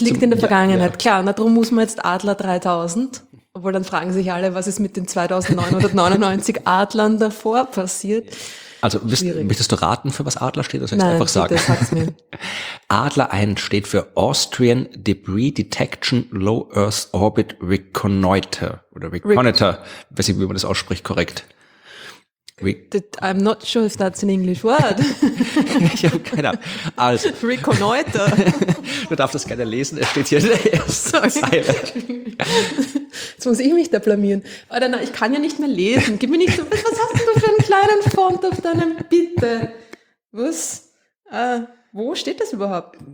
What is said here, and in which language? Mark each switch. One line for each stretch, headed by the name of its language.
German: liegt in der Vergangenheit, ja. Klar. Und darum muss man jetzt Adler 3000, obwohl dann fragen sich alle, was ist mit den 2999 Adlern davor passiert. Also möchtest du raten, für was Adler steht? Das heißt, nein, einfach sagen. Adler 1 steht für Austrian Debris Detection Low Earth Orbit Reconnoiter. Oder Reconnoiter. Weiß nicht, wie man das ausspricht, korrekt.
English: I'm not sure if that's an English word.
German: Ich habe keine Ahnung. Also, Reconnoiter. Du darfst das gerne lesen, es steht hier in der ersten Seite. Jetzt muss ich mich da blamieren. Oder nein, ich kann ja nicht mehr lesen. Gib mir nicht so, was hast du für einen kleinen Font auf deinem, bitte? Was? Wo steht das überhaupt?